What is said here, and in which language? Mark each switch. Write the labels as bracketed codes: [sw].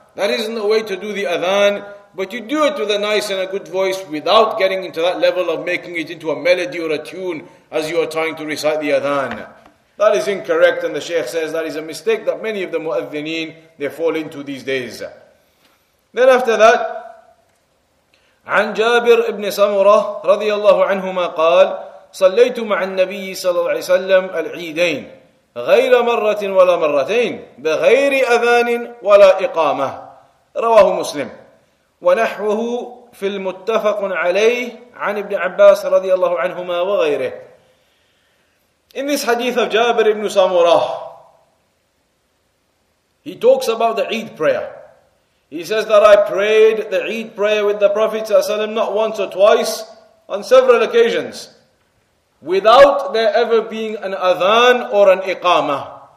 [en] That isn't the way to do the adhan, but you do it with a nice and a good voice without getting into that level of making it into a melody or a tune as you are trying to recite the adhan. That is incorrect, and the Shaykh says that is a mistake that many of the muadhineen, they fall into these days. Then after that, [ar] عن جابر ابن سمرة رضي الله عنهما قال صليت مع النبي صلى الله عليه وسلم العيدين غير مرة ولا مرتين بغير أذان ولا إقامة رواه مسلم ونحوه في المتفق عليه عن ابن عباس رضي الله عنهما وغيره. [en] In this hadith of Jabir ibn Samurah, he talks about the Eid prayer. He says that I prayed the Eid prayer with the Prophet ﷺ not once or twice, on several occasions, without there ever being an adhan or an iqamah.